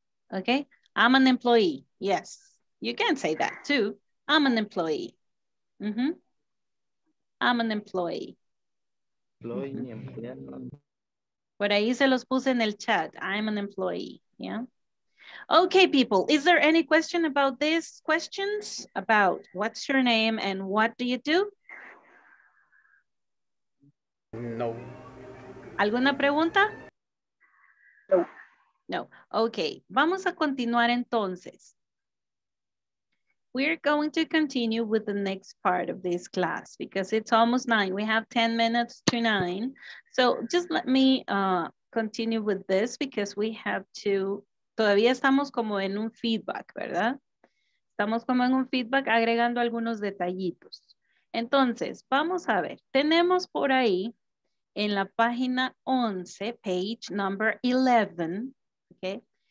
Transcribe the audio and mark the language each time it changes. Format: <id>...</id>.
<en>Okay, I'm an employee. Yes, you can say that too. I'm an employee. Mm-hmm. I'm an employee. Employee, mm-hmm.</en> <es>Por ahí se los puse en el chat.</es> <en>I'm an employee. Yeah. Okay, people, is there any question about these questions? About what's your name and what do you do? No.</en> <es>¿Alguna pregunta? No. No. Okay, vamos a continuar entonces.</es> <en>We're going to continue with the next part of this class because it's almost nine. We have 10 minutes to nine. So just let me continue with this because we have to...</en> <es>Todavía estamos como en un feedback, ¿verdad? Estamos como en un feedback agregando algunos detallitos. Entonces, vamos a ver. Tenemos por ahí en la página 11,</es> <en>page number 11,</en> <es>¿ok?</es>